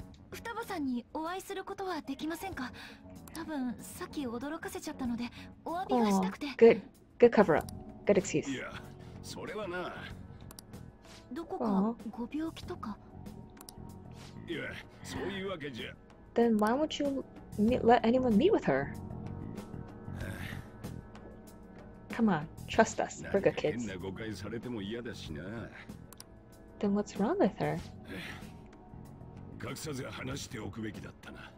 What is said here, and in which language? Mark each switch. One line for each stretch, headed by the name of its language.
Japanese: ふたばさんにお会いすることはできませんか?多分、さっき驚かせちゃったので、お詫びがしたくて。
English: Good. Good cover up. Good excuse.
Japanese: いや、それはな。どこかご病気とか。いや、そういうわけじゃ。
English: Then why won't you let anyone meet with her? Come on, trust us. We're good kids.
Japanese: 変な誤解されても嫌だしな。
English: Then what's wrong with her?
Japanese: 隠さず話しておくべきだったな。